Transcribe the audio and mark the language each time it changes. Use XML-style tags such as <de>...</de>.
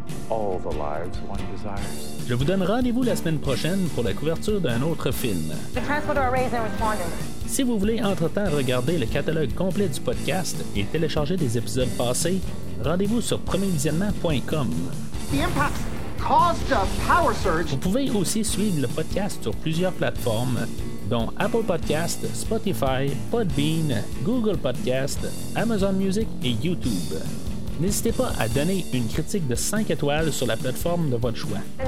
<en>All the lives one desires.</en> <fr>Je vous donne rendez-vous la semaine prochaine pour la couverture d'un autre film.</fr> <en>The transporter arrays and responders.</en> <fr>Si vous voulez entre-temps regarder le catalogue complet du podcast et télécharger des épisodes passés, rendez-vous sur premiervisionnement.com.</fr> <en>The impact caused a power surge.</en> <fr>Vous pouvez aussi suivre le podcast sur plusieurs plateformes, dont Apple Podcast, Spotify, Podbean, Google Podcast, Amazon Music et YouTube. N'hésitez pas à donner une critique de 5 étoiles sur la plateforme de votre choix.</fr>